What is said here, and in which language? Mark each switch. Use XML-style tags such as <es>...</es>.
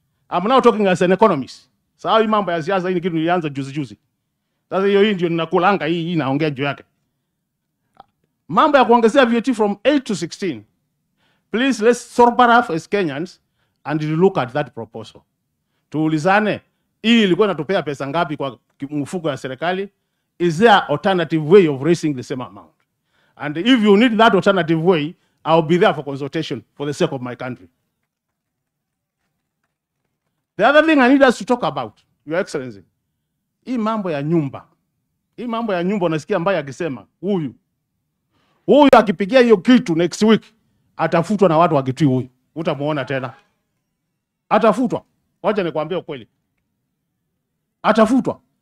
<en>I'm now talking as an economist.</en> <sw>So hii mambo ya siasa hii ni kitu nilianza juzi juzi. Sasa hiyo hii ndio ninakulanga hii inaongea juu yake. Mambo ya kuongezea VAT</sw> <en>from 8% to 16%. Please let's sort it off as Kenyans and look at that proposal.</en> <sw>Tuulizane, hii ilikuwa inatupea pesa ngapi kwa mfuko ya serikali?</sw> <en>Is there alternative way of raising the same amount? And if you need that alternative way, I'll be there for consultation for the sake of my country. The other thing I need us to talk about, your excellency,</en> <sw>hii mambo ya nyumba. Hii mambo ya nyumba unasikia mbaya akisema huyu. Huyu akipigia hiyo kitu next week atafutwa na watu wa Kitui huyu. Utamuona tena. Atafutwa. Wacha nikwambie ukweli. Atafutwa.</sw>